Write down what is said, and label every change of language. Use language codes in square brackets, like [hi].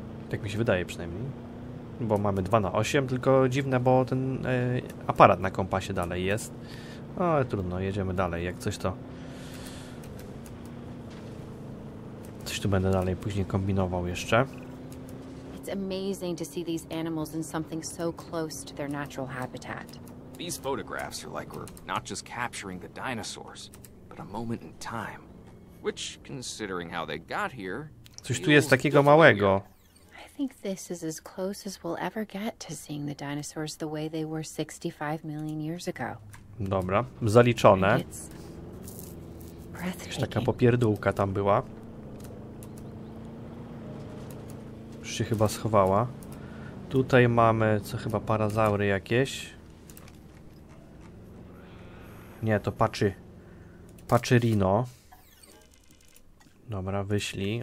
[pl] Tak mi się wydaje przynajmniej. bo mamy 2 na 8, tylko dziwne, bo ten aparat na kompasie dalej jest. No, ale trudno, jedziemy dalej, jak coś to... Coś tu będę dalej później kombinował jeszcze. [en] It's amazing to see these animals in something so close to their natural habitat. These photographs are like we're not just capturing the dinosaurs, but a moment in time. Which, considering how they got here, [pl] coś tu jest takiego małego. [en] I think this is as close as we'll ever get to seeing the dinosaurs the way they were 65 million years ago. [pl] Dobra, zaliczone. Jakaś taka popierdółka tam była. Już się chyba schowała. Tutaj mamy, co chyba, parazaury jakieś. Nie, to paczy. Paczy rino. Dobra, wyślij.